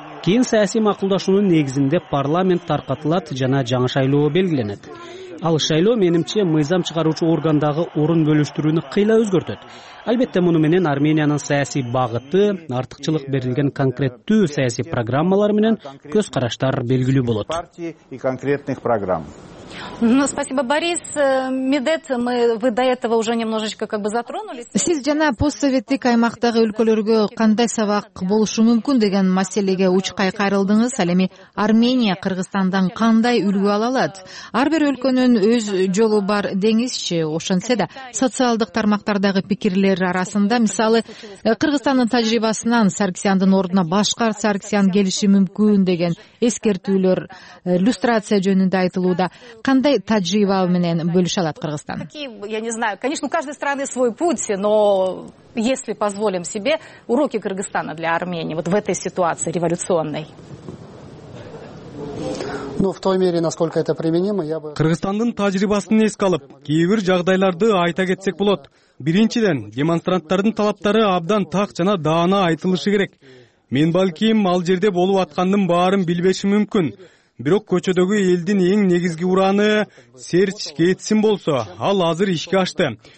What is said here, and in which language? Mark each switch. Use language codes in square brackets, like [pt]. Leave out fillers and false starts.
[ky] Кийин саясий макулдашуунун негизинде парламент таркатылат жана жаңы шайлоо белгиленет. Ал шайлоо менимче мыйзам чыгаруучу органдагы орун бөлүштүрүүнү кыйла өзгөртөт. Албетте, муну менен Армениянын саясий багыты, артыкчылык берилген конкреттүү саясий программалар менен көз караштар белгилүү болот. [ru] Ну, спасибо, Борис. Медет, вы до этого уже немножечко как бы затронулись. [ky] Сиз жана постсоветтик аймактагы өлкөлөргө кандай сабак болушу мүмкүн деген маселеге уч кайрылдыңыз. Ал эми Армения Кыргызстандан кандай үлгү ала алат? Ар бир өлкөнүн өз жолу бар деңизчи. Ошентсе да, социалдык тармактардагы пикирлер арасында, мисалы, Кыргызстандын тажрыйбасынан Саркисяндын ордуна башка Саркисян келиши мүмкүн деген эскертүүлөр, иллюстрация жөнүндө айтылууда. Кандай тажрыйба менен бөлүшө алат Кыргызстан? [ru] Я не знаю, конечно, у каждой страны свой путь, но если позволим себе уроки Кыргызстана для Армении вот в этой ситуации революционной. Ну, в той мере, насколько это применимо, я бы [ky] Кыргызстандын тажрыйбасын эске алып, кээбир жагдайларды айта кетсек болот. Биринчиден, демонстранттардын талаптары абдан так жана даана айтылышы керек. Мен балким ал жерде болуп аткандын баарын билбеши мүмкүн. Бирок көчөдөгү элдин эң негизги ураны серч кетсин болсо, ал азыр ишке ашты.